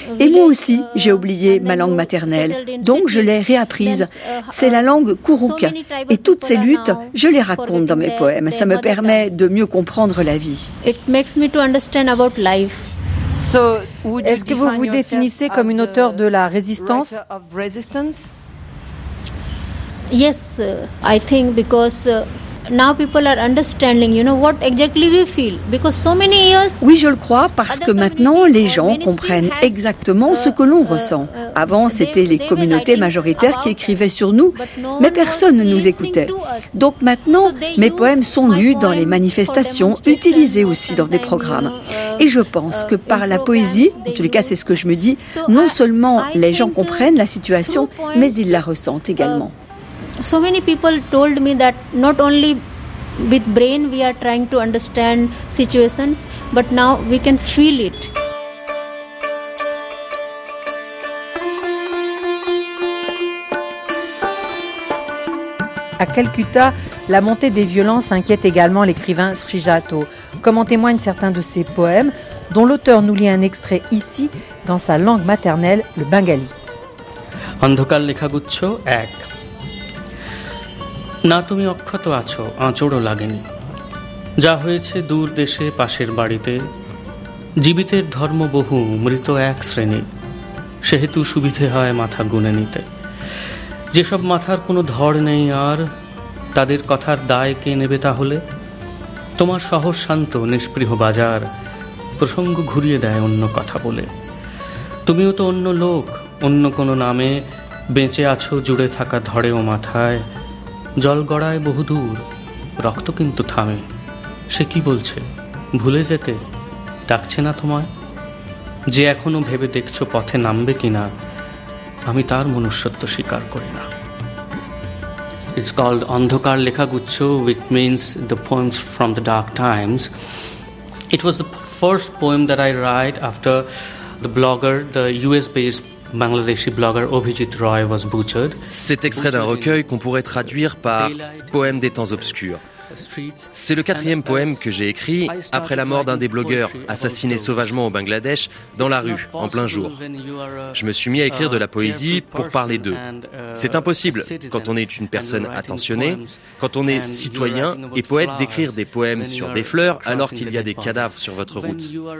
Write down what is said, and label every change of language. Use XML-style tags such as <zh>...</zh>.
<fr>Et moi aussi, j'ai oublié ma langue maternelle, donc je l'ai réapprise. C'est la langue Kourouk. Et toutes ces luttes, je les raconte dans mes poèmes. Ça me permet de mieux comprendre la vie. Est-ce que vous vous définissez comme une auteure de la résistance?</fr> <en>Yes, I think because now people are understanding, you know, what exactly we feel. Because so many years.</en> <fr>Oui, je le crois, parce que maintenant les gens comprennent exactement ce que l'on ressent. Avant, c'était les communautés majoritaires qui écrivaient sur nous, mais personne ne nous écoutait. Donc maintenant, mes poèmes sont lus dans les manifestations, utilisés aussi dans des programmes. Et je pense que par la poésie, en tous les cas, c'est ce que je me dis, non seulement les gens comprennent la situation, mais ils la ressentent également.</fr> <en>So many people told me that not only with brain we are trying to understand situations, but now we can feel it.</en> <fr>À Calcutta, la montée des violences inquiète également l'écrivain Srijato, comme en témoignent certains de ses poèmes, dont l'auteur nous lit un extrait ici, dans sa langue maternelle, le bengali.</fr> <bn>Andhokar likha guccho ek. না তুমি অক্ষত আছো আঁচড়ও লাগেনি যা হয়েছে দূর দেশে পাশের বাড়িতে জীবিতের ধর্ম বহু মৃত এক শ্রেণীর সেহেতু সুবিধে হয় মাথা গুনে নিতে যেসব মাথার কোনো ধর নেই আর তাদের কথার দায় কে নেবে তাহলে তোমার শহর শান্ত নিষ্পৃহ বাজার প্রসঙ্গ ঘুরিয়ে দেয় অন্য কথা বলে তুমিও তো অন্য লোক অন্য কোনো নামে বেঁচে আছো জুড়ে থাকা ধরেও মাথায় জল গড়ায় বহুদূর রক্ত কিন্তু থামে সে কি বলছে ভুলে যেতে ডাকছে না তোমায় যে এখনো ভেবে দেখছো পথে নামবে কিনা আমি তার মনুষ্যত্ব স্বীকার করি না</bn> <en>It's called Andhakar Lekhaguchchho which means the poems from the dark times it was the first poem that I write after the blogger the US based Bangladeshi blogger Abhijit Roy was butchered.</en> <fr>Cet extrait d'un recueil qu'on pourrait traduire par « Poème des temps obscurs ». C'est le quatrième poème que j'ai écrit après la mort d'un des blogueurs assassiné sauvagement au Bangladesh dans la rue, en plein jour. Je me suis mis à écrire de la poésie pour parler d'eux. C'est impossible, quand on est une personne attentionnée, quand on est citoyen et poète, d'écrire des poèmes sur des fleurs alors qu'il y a des cadavres sur votre route.</fr>